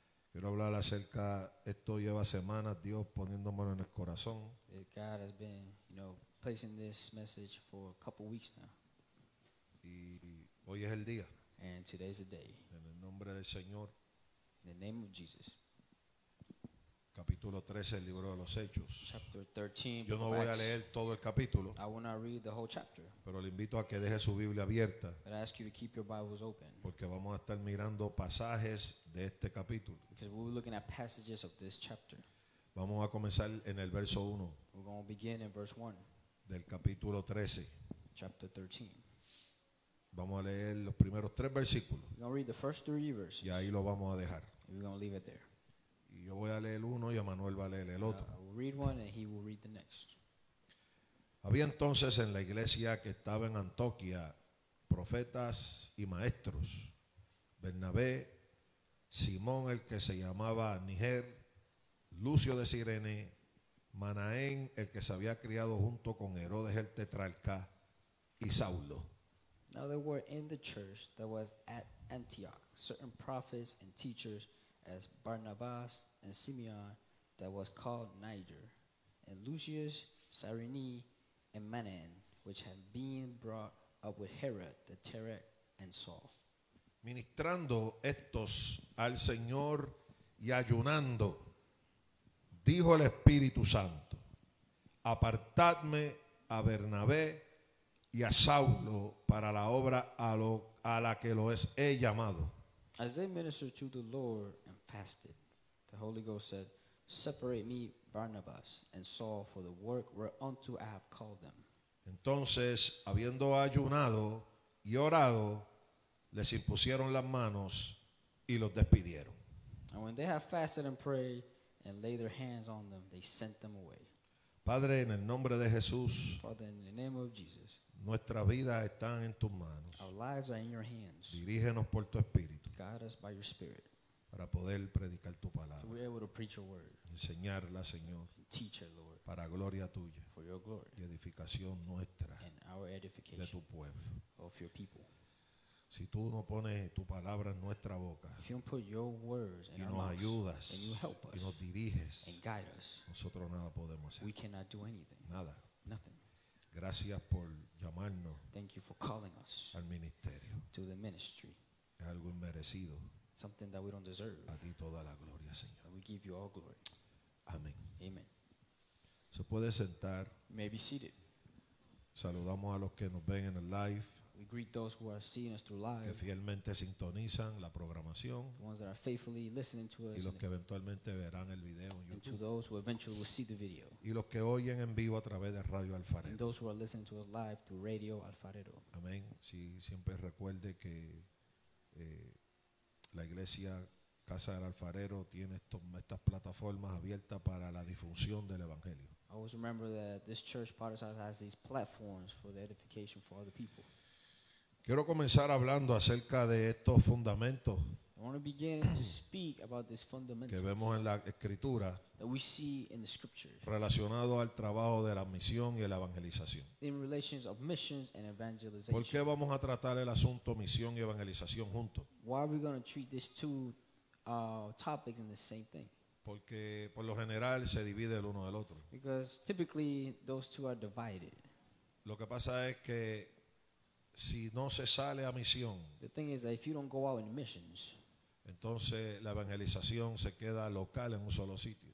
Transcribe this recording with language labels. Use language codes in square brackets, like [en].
[es] Quiero hablar acerca, esto lleva semanas Dios poniéndomelo en el corazón. [en] God has been, you know, placing this message for a couple weeks now. [es] Y hoy es el día. [en] And today's the day. [es] En el nombre del Señor. [en] In the name of Jesus. [es] Capítulo 13 del libro de los Hechos. [en] Chapter 13. [es] Yo no voy a leer todo el capítulo. [en] I will not read the whole chapter. [es] Pero le invito a que deje su Biblia abierta. [en] But I ask you to keep your Bibles open. [es] Porque vamos a estar mirando pasajes de este capítulo. [en] Because we'll be looking at passages of this chapter. [es] Vamos a comenzar en el verso 1. [en] We're going to begin in verse 1. [es] Del capítulo 13. [en] Chapter 13. [es] Vamos a leer los primeros tres versículos. [en] We're going to read the first three verses. [es] Y ahí lo vamos a dejar. [en] And we're going to leave it there. [es] Y yo voy a leer uno y Emmanuel va a leer el otro. [en] I will read one and he will read the next. [es] Había entonces en la iglesia que estaba en Antioquía profetas y maestros: Bernabé, Simón el que se llamaba Níger, Lucio de Cirene, Manaén el que se había criado junto con Herodes el tetrarca, y Saulo. [en] Now there were in the church that was at Antioch certain prophets and teachers, as Barnabas and Simeon, that was called Niger, and Lucius, Cyrene, and Manaen, which had been brought up with Herod, the Tetrarch, and Saul. [es] Ministrando estos al Señor y ayunando, dijo el Espíritu Santo, apartadme a Bernabé y a Saulo para la obra a la que los he llamado. [en] As they ministered to the Lord and fasted, the Holy Ghost said, separate me, Barnabas, and Saul, for the work whereunto I have called them. [es] Entonces, habiendo ayunado y orado, les impusieron las manos y los despidieron. [en] And when they had fasted and prayed and laid their hands on them, they sent them away. [es] Padre, en el nombre de Jesús, [en] Father, in the name of Jesus, [es] nuestras vidas están en tus manos. [en] Our lives are in your hands. [es] Dirígenos por tu Espíritu. [en] Guide us by your Spirit. [es] Para poder predicar tu palabra. [en] To be able to preach your word. [es] Enseñarla, Señor. [en] And teach it, Lord. [es] Para gloria tuya. [en] For your glory. [es] Y edificación nuestra. [en] And our edification. [es] De tu pueblo. [en] Of your people. [es] Si tú no pones tu palabra en nuestra boca, [en] if you don't put your words in our mouths, [es] ayudas, [en] and you help us, [es] y nos diriges, [en] and guide us, [es] nosotros nada podemos hacer. [en] We cannot do anything. [es] Nada. [en] Nothing. [es] Gracias por llamarnos. [en] Thank you for calling us. [es] Al ministerio. [en] To the ministry. [es] Es algo inmerecido. [en] Something that we don't deserve. [es] A ti toda la gloria, Señor. [en] And we give you all glory. [es] Amén. [en] Amen. [es] Se puede sentar. [en] You may be seated. [es] Saludamos a los que nos ven en el live. [en] We greet those who are seeing us through live. [es] Que fielmente sintonizan la programación. [en] The ones that are faithfully listening to us. [es] Y los que eventualmente verán el video en YouTube. [en] And to those who eventually will see the video. [es] Y los que oyen en vivo a través de Radio Alfarero. [en] And those who are listening to us live through Radio Alfarero. [es] Amén. Sí, siempre recuerde que la iglesia Casa del Alfarero tiene estas plataformas abiertas para la difusión del evangelio. [en] I always remember that this church, Potter's House, has these platforms for the edification for other people. [es] Quiero comenzar hablando acerca de estos fundamentos. [en] I want to begin to speak about these fundamentals [es] que vemos en la escritura, [en] that we see in the scriptures, [es] relacionado al trabajo de la misión y la evangelización. [en] In relations of missions and evangelization. [es] ¿Por qué vamos a tratar el asunto misión y evangelización juntos? [en] Why are we going to treat these two topics in the same thing? [es] Porque por lo general se divide el uno del otro. [en] Because typically those two are divided. [es] Lo que pasa es que si no se sale a misión, [en] the thing is that if you don't go out in missions, [es] entonces la evangelización se queda local en un solo sitio.